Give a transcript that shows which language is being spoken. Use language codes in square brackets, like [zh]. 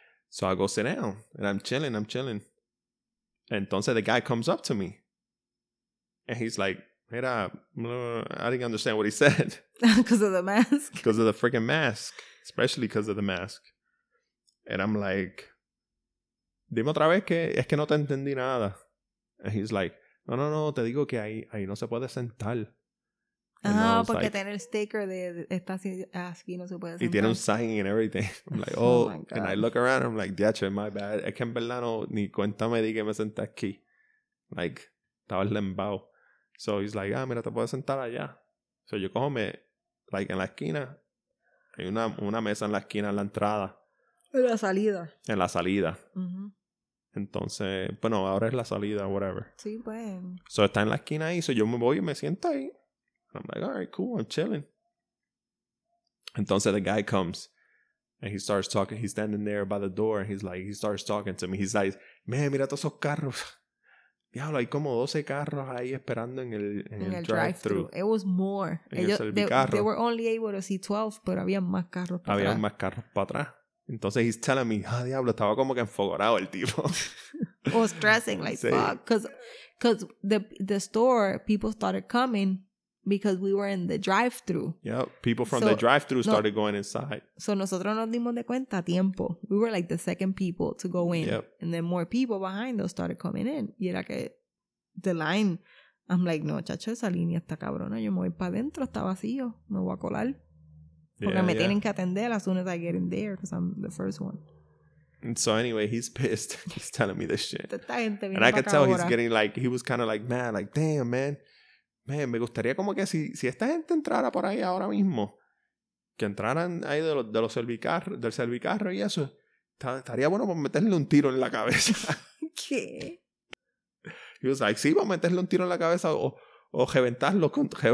[en] So I go sit down, and I'm chilling. Entonces, the guy comes up to me. And he's like, mira, I didn't understand what he said. Because of the mask. Because of the freaking mask. Especially because of the mask. And I'm like, [es] dime otra vez que es que no te entendí nada. [en] And he's like, [es] no, te digo que ahí no se puede sentar. Ah, oh, porque like, tiene el sticker de está aquí no se puede sentar. Y tiene un sign [en] and everything. I'm like, oh, and I look around and I'm like, diacho, my bad. [es] Es que en verdad no, ni cuenta me di que me senté aquí. Like, estaba lembao. [en] So he's like, [es] ah, mira, te puedes sentar allá. So yo cojo en la esquina. Hay una mesa en la esquina, en la entrada. En la salida. Uh-huh. Entonces, bueno, ahora es la salida, whatever. Sí, bueno. So está en la esquina ahí. So yo me voy y me siento ahí. [en] And I'm like, all right, cool, I'm chilling. Entonces the guy comes and he starts talking. He's standing there by the door and he starts talking to me. He's like, man, [es] mira todos esos carros. Diablo, hay como 12 carros ahí esperando en el drive-thru. [en] It was more. They were only able to see 12, [es] pero había más carros para atrás. Entonces [en] he's telling me, [es] ah, diablo, estaba como que enfogorado el tipo. [en] I was stressing, like, sí. Fuck. Because the store, people started coming because we were in the drive-thru. Yep, people from the drive-thru started going inside. [es] So nosotros nos dimos de cuenta a tiempo. [en] We were like the second people to go in. Yep. And then more people behind us started coming in. [es] Y era que [en] the line, I'm like, [es] no, chacho, esa línea está cabrona. Yo me voy para adentro, está vacío. Me voy a colar. [en] Porque yeah, [es] me tienen que atender [en] as soon as I get in there because I'm the first one. And so anyway, he's pissed. He's telling me this shit. [es] Esta gente [en] viene and I can tell he's getting like, he was kind of like mad, like, damn, man. [es] Man, me gustaría como que si esta gente entrara por ahí ahora mismo, que entraran ahí de los servicarros, del servicarro y eso, estaría bueno por meterle un tiro en la cabeza. ¿Qué? [en] He was like, [es] sí, para meterle un tiro en la cabeza o reventarlo con...